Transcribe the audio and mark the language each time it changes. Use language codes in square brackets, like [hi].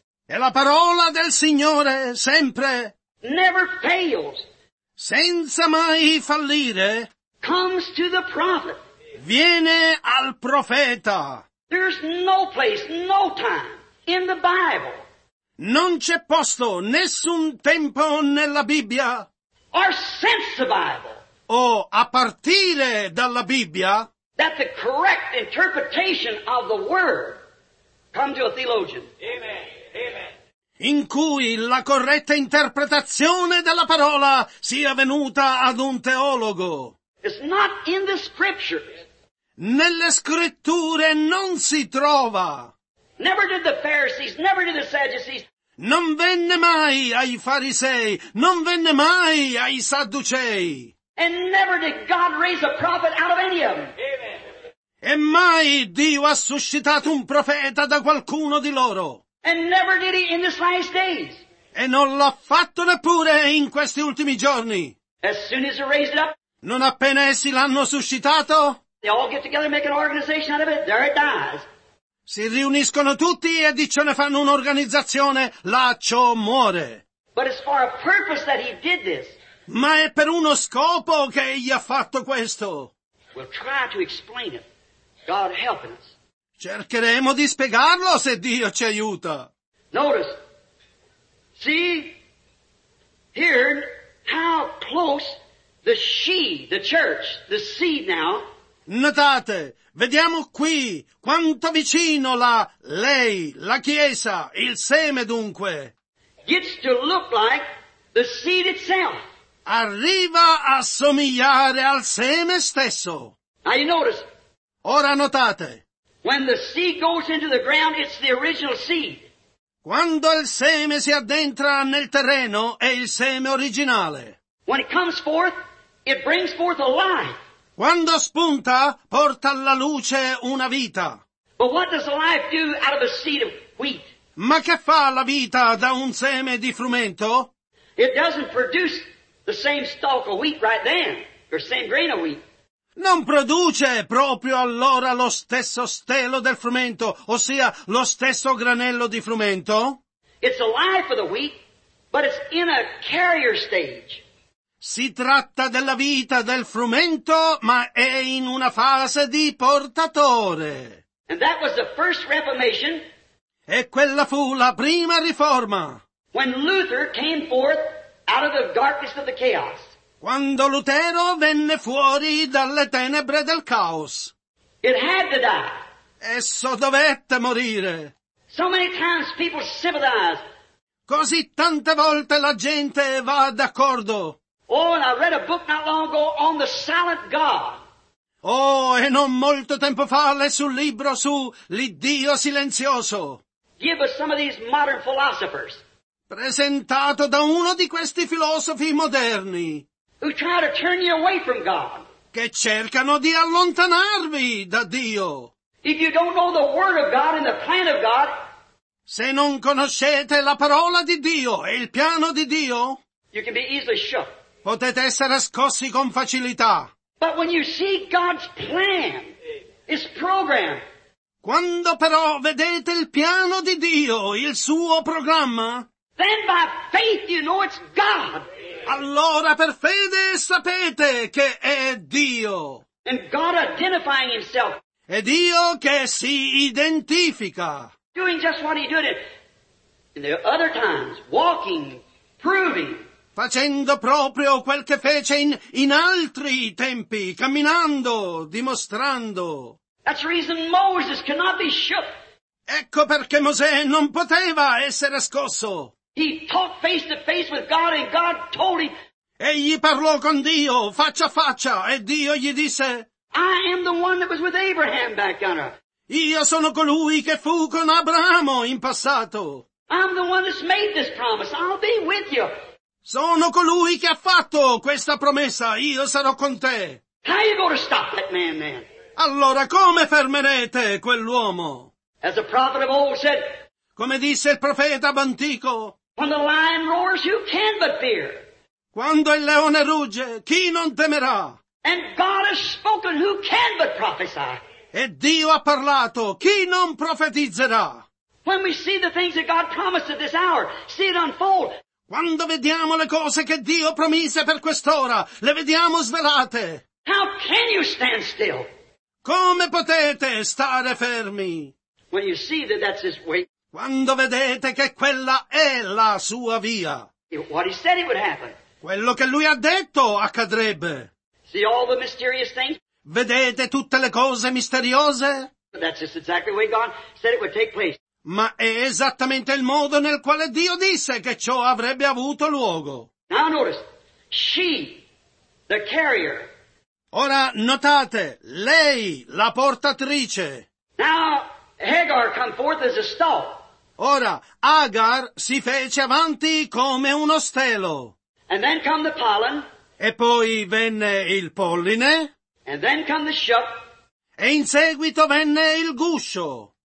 [it] E la parola del Signore sempre. [en] Never fails. [it] Senza mai fallire. [en] Comes to the prophet. [it] Viene al profeta. [en] There's no place, no time in the Bible. [it] Non c'è posto, nessun tempo nella Bibbia. [en] Or since the Bible. [it] O a partire dalla Bibbia. [en] That the correct interpretation of the word come to a theologian. Amen. Amen. [it] In cui la corretta interpretazione della parola sia venuta ad un teologo. [en] It's not in the scriptures. [it] Nelle scritture non si trova. [en] Never did the Pharisees, never did the Sadducees. [it] Non venne mai ai farisei, non venne mai ai sadducei. [en] And never did God raise a prophet out of any of them. Amen. [it] E mai Dio ha suscitato un profeta da qualcuno di loro. [en] And never did he in this last days. [it] E non l'ha fatto neppure in questi ultimi giorni. [en] As soon as he raised it up. [it] Non appena essi l'hanno suscitato. [en] They all get together and make an organization out of it. There it dies. [it] Si riuniscono tutti e di ciò ne fanno un'organizzazione. Là ciò muore. [en] But it's for a purpose that he did this. [it] Ma è per uno scopo che egli ha fatto questo. [en] We'll try to explain it. God helping us. [it] Cercheremo di spiegarlo se Dio ci aiuta. [en] Notice. See here how close the she, the church, the seed now. [it] Notate, vediamo qui quanto vicino la lei, la chiesa, il seme dunque. [en] Gets to look like the seed itself. [it] Arriva a somigliare al seme stesso. [en] Now you notice. [it] Ora notate. [en] When the seed goes into the ground, it's the original seed. [it] Quando il seme si addentra nel terreno, è il seme originale. [en] When it comes forth, it brings forth a life. [it] Quando spunta, porta alla luce una vita. [en] But what does life do out of a seed of wheat? [it] Ma che fa la vita da un seme di frumento? [en] It doesn't produce the same stalk of wheat right then, or same grain of wheat. [it] Non produce proprio allora lo stesso stelo del frumento, ossia lo stesso granello di frumento. [en] It's alive for the wheat, but it's in a carrier stage. [it] Si tratta della vita del frumento, ma è in una fase di portatore. [en] And that was the first Reformation. [it] E quella fu la prima riforma. [en] When Luther came forth out of the darkness of the chaos. [it] Quando Lutero venne fuori dalle tenebre del caos. [en] It had to die. [it] Esso dovette morire. [en] So many times people sympathize. [it] Così tante volte la gente va d'accordo. [en] Oh, and I read a book not long ago on the silent God. [it] Oh, e non molto tempo fa lessi un libro su l'Iddio silenzioso. [en] Give us some of these modern philosophers. [it] Presentato da uno di questi filosofi moderni. [en] Who try to turn you away from God. [it] Che cercano di allontanarvi da Dio. [en] If you don't know the word of God and the plan of God. [it] Se non conoscete la parola di Dio e il piano di Dio. [en] You can be easily shook. [it] Potete essere scossi con facilità. [en] But when you see God's plan, His program. [it] Quando però vedete il piano di Dio, il suo programma. [en] Then by faith you know it's God. [it] Allora per fede sapete che è Dio. [en] And God identifying himself. [it] È Dio che si identifica. [en] Doing just what he did it. In the other times, walking, proving. [it] Facendo proprio quel che fece in altri tempi, camminando, dimostrando. [en] That's the reason Moses cannot be shook. [it] Ecco perché Mosè non poteva essere scosso. [en] He talked face to face with God and God told him. [it] Egli parlò con Dio faccia a faccia e Dio gli disse. [en] I am the one that was with Abraham back on earth. [it] Io sono colui che fu con Abramo in passato. [en] I'm the one that's made this promise. I'll be with you. [it] Sono colui che ha fatto questa promessa. Io sarò con te. [en] How are you going to stop that man then? [it] Allora come fermerete quell'uomo? [en] As the prophet of old said, [it] come disse il profeta antico, [en] when the lion roars, who can but fear? [it] Quando il leone rugge, chi non temerà? [en] And God has spoken, who can but prophesy? [it] E Dio ha parlato, chi non profetizzerà? [en] When we see the things that God promised at this hour, see it unfold. [it] Quando vediamo le cose che Dio promise per quest'ora, le vediamo svelate. [en] How can you stand still? [it] Come potete stare fermi? [en] When you see that that's his way. [it] Quando vedete che quella è la sua via. [en] What he said it would happen. [it] Quello che lui ha detto accadrebbe. [en] See all the mysterious things? [it] Vedete tutte le cose misteriose? [en] That's just exactly the way God said it would take place. [it] Ma è esattamente il modo nel quale Dio disse che ciò avrebbe avuto luogo. [en] Now notice, she, the carrier. [it] Ora notate, lei, la portatrice. [en] Now, Hagar come forth as a stall. [it] Ora, Hagar si fece avanti come uno stelo. [en] And then come the pollen. [it] E poi venne il polline. [en] And then come the shuck. [it] E in seguito venne il guscio.